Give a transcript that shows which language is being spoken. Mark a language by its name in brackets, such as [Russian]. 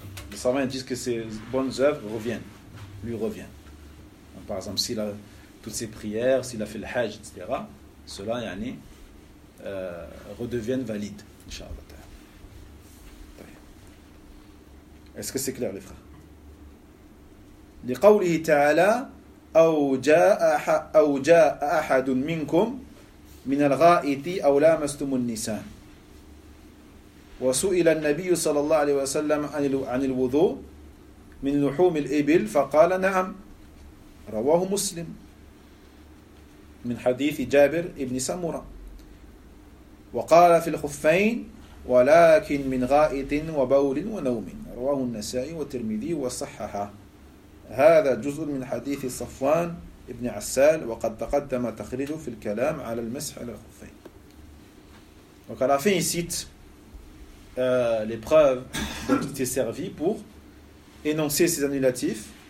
[French] Les savants disent que ses bonnes œuvres reviennent, lui reviennent. Donc, par exemple, s'il a toutes ses prières, s'il a fait le hajj, etc., cela, yani, redeviennent valides, inshallah. Est-ce que c'est clair, les frères ? [Arabic] Les قوله تعالى أو جاء أحد منكم من الغائط أو لامستم النساء وسئل النبي صلى الله عليه وسلم عن الوضوء من لحوم الإبل فقال نعم رواه مسلم من حديث جابر ابن سمرة وقال في الخفين ولكن من غائط وبول ونوم رواه النسائي والترمذي وصححه هذا جزء من حديث صفوان ابن عسال وقد تقدم تخريجه في الكلام على المسح على الخفين. [French] Donc à la fin, il cite les preuves dont il s'est servi pour énoncer ces annulatifs.